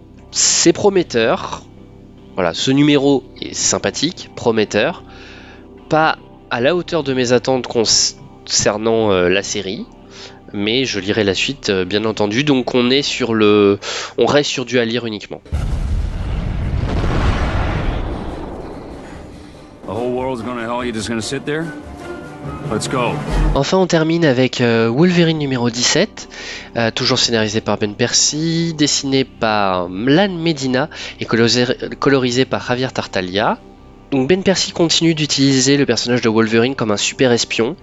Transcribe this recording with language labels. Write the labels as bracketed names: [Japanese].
[French] C'est prometteur. Voilà, ce numéro est sympathique, prometteur, pas à la hauteur de mes attentes concernant la série, mais je lirai la suite bien entendu. Donc on reste sur du à lire uniquement. [English] The whole world's gonna hell, you're just gonna sit there? Let's go. [French] Enfin, on termine avec Wolverine numéro 17, toujours scénarisé par Ben Percy, dessiné par Mlan Medina et colorisé par Javier Tartaglia. Donc Ben Percy continue d'utiliser le personnage de Wolverine comme un super espion.